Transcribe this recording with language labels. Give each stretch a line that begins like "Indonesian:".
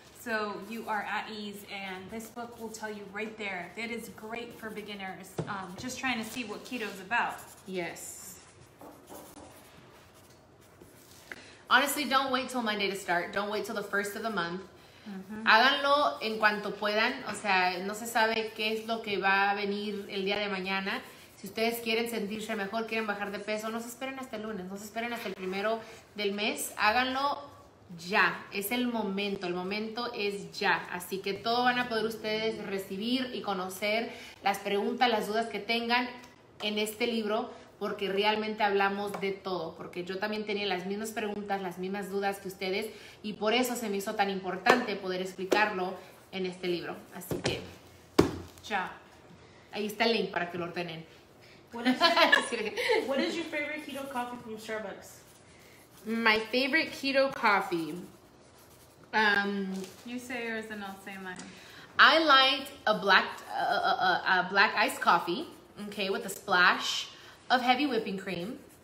English: So you are at ease, and this book will tell you right there. It is great for beginners, just trying to see what keto is about. Yes. Honestly, don't wait till Monday to start. Don't wait till the first of the month.
Spanish: Háganlo en cuanto puedan. O sea, no se sabe qué es lo que va a venir el día de mañana. Si ustedes quieren sentirse mejor, quieren bajar de peso, no se esperen hasta el lunes, no se esperen hasta el primero del mes. Háganlo ya. Es el momento es ya. Así que todo van a poder ustedes recibir y conocer las preguntas, las dudas que tengan en este libro, porque realmente hablamos de todo, porque yo también tenía las mismas preguntas, las mismas dudas que ustedes, y por eso se me hizo tan importante poder explicarlo en este libro. Así que, ya. Ahí está el link para que lo ordenen.
English: What is your favorite keto coffee from Starbucks? My favorite keto coffee. You say yours and I'll say mine. I liked a black iced coffee, okay, with a splash of heavy whipping cream.